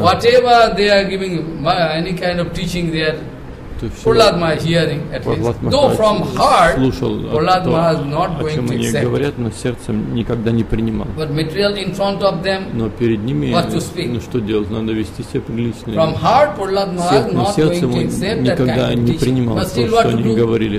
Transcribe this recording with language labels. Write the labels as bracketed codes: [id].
[en] Whatever they are giving, any kind of teaching they are, Prahlad Maharaj hearing at least. Though from heart, Prahlad Maharaj not going to accept. [ru] О чем они говорят, но сердцем никогда не принимал. [en] But material in front of them, [ru] но перед ними, [en] what to speak? [ru] Ну что делать, надо вести себя прилично. [en] From heart, Prahlad Maharaj not going to accept that kind of teaching. [ru] Никогда не принимал то, что они говорили.